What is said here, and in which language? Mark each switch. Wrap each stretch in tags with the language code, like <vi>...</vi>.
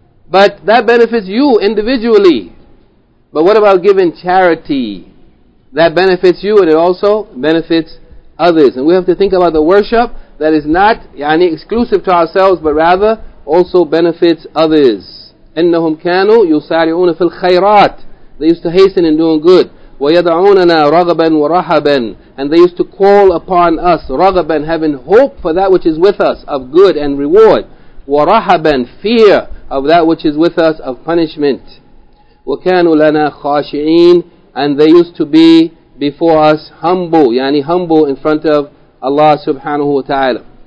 <en>But that benefits you individually. But what about giving charity? That benefits you and it also benefits others. And we have to think about the worship that is not يعني exclusive to ourselves, but rather also benefits others.</en> <ar>إنهم كانوا يسارعون في الخيرات.</ar> <en>They used to hasten in doing good.</en> <ar>ويدعوننا رغبا ورهبا.</ar> <en>And they used to call upon us رغبا, having hope for that which is with us of good and reward. ورهبا, fear of that which is with us of punishment.</en> <ar>وكانوا لنا خاشعين.</ar> <en>And they used to be before us humble, يعني humble in front of Allah subhanahu wa ta'ala.</en>